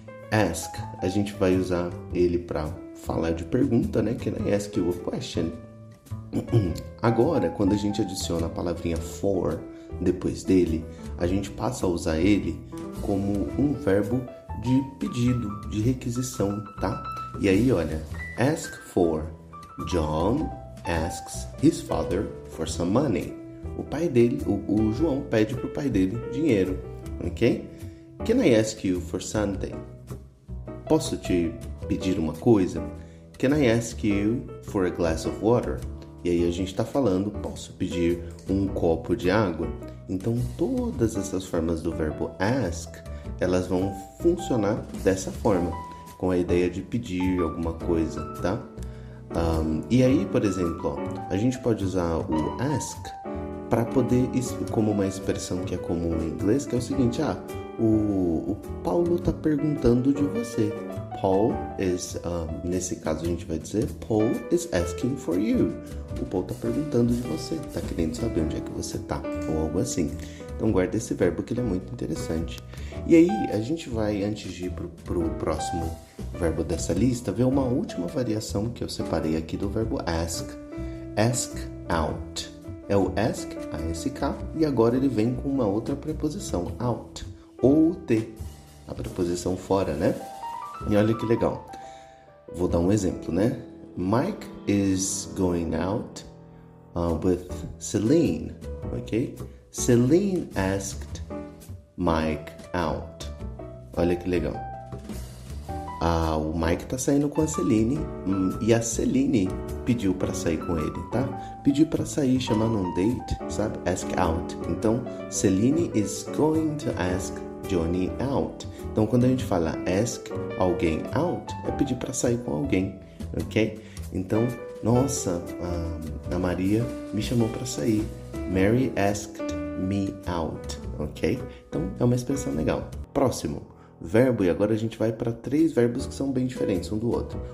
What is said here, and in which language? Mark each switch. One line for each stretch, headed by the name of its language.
Portuguese: Ask, a gente vai usar ele para falar de pergunta, né?
English: Can I ask you a question?
Portuguese: Agora, quando a gente adiciona a palavrinha for depois dele, a gente passa a usar ele como um verbo de pedido, de requisição, tá? E aí, olha, ask for.
English: John asks his father for some money.
Portuguese: O pai dele, o João pede pro pai dele dinheiro, ok?
English: Can I ask you for something?
Portuguese: Posso te pedir uma coisa?
English: Can I ask you for a glass of water?
Portuguese: E aí a gente está falando, posso pedir um copo de água? Então todas essas formas do verbo ask, elas vão funcionar dessa forma, com a ideia de pedir alguma coisa, tá? E aí, por exemplo, ó, a gente pode usar o ask para poder, como uma expressão que é comum em inglês, que é o seguinte: ah, o Paulo está perguntando de você.
English: Paul is,
Portuguese: nesse caso a gente vai dizer,
English: Paul is asking for you.
Portuguese: O Paul está perguntando de você, está querendo saber onde é que você está, ou algo assim. Então guarda esse verbo que ele é muito interessante. E aí a gente vai, antes de ir pro próximo verbo dessa lista, ver uma última variação que eu separei aqui do verbo ask. Ask out. É o ask, ASK, e agora ele vem com uma outra preposição, out, ou T, a preposição fora, né? E olha que legal. Vou dar um exemplo, né?
English: Mike is going out with Celine, ok? Celine asked Mike out.
Portuguese: Olha que legal. Ah, o Mike tá saindo com a Celine e a Celine pediu para sair com ele, tá? Pediu para sair, chamar num date, sabe? Ask out.
English: Então, Celine is going to ask Johnny out.
Portuguese: Então, quando a gente fala ask alguém out, é pedir para sair com alguém, ok? Então, nossa, a Maria me chamou para sair.
English: Mary asked me out,
Portuguese: ok? Então, é uma expressão legal. Próximo verbo, e agora a gente vai para três verbos que são bem diferentes um do outro.